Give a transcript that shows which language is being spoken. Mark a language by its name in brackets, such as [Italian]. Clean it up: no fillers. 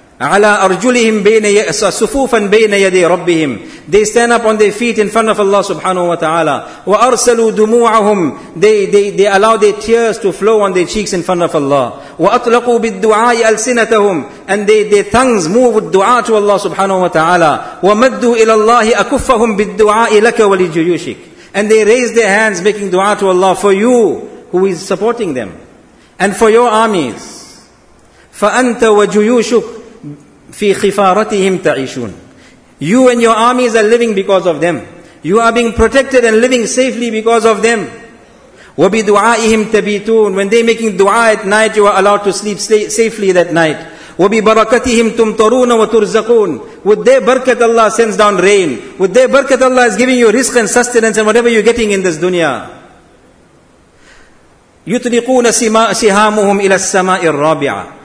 [Arabic] على أرجلهم بين صفوفا بين يدي ربهم. [English] They stand up on their feet in front of Allah subhanahu wa ta'ala. [Arabic] وأرسلوا دموعهم. [English] They allow their tears to flow on their cheeks in front of Allah. [Arabic] وأطلقوا بالدعاء ألسنتهم. [English] And their tongues move with dua to Allah subhanahu wa ta'ala. [Arabic] ومدوا إلى الله أكفهم بالدعاء لك ولجيوشك. [English] And they raise their hands making dua to Allah for you who is supporting them. And for your armies. [Arabic] فأنت وجيوشك في خفارتهم تعيشون. [English] You and your armies are living because of them. You are being protected and living safely because of them. [Arabic] وبدعائهم تبيتون. [English] When they're making dua at night, you are allowed to sleep safely that night. [Arabic] وببركتهم تمطرون وترزقون. [English] With their barakat, Allah sends down rain. With their barakat, Allah is giving you risk and sustenance and whatever you're getting in this dunya. [Arabic] يطلقون سهامهم إلى السماء الرابعة.